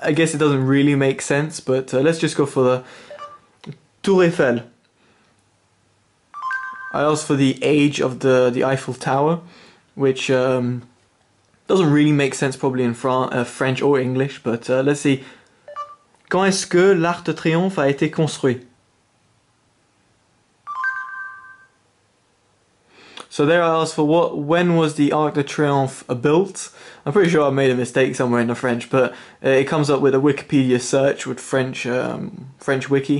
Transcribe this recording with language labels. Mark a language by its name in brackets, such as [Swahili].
[English] I guess it doesn't really make sense, but let's just go for the Tour Eiffel. I asked for the age of the Eiffel Tower, which doesn't really make sense probably in French or English, but let's see. [French] Quand est-ce que l'Arc de Triomphe a été construit? [English] So there I asked for when was the Arc de Triomphe built? I'm pretty sure I made a mistake somewhere in the French, but it comes up with a Wikipedia search with French French wiki.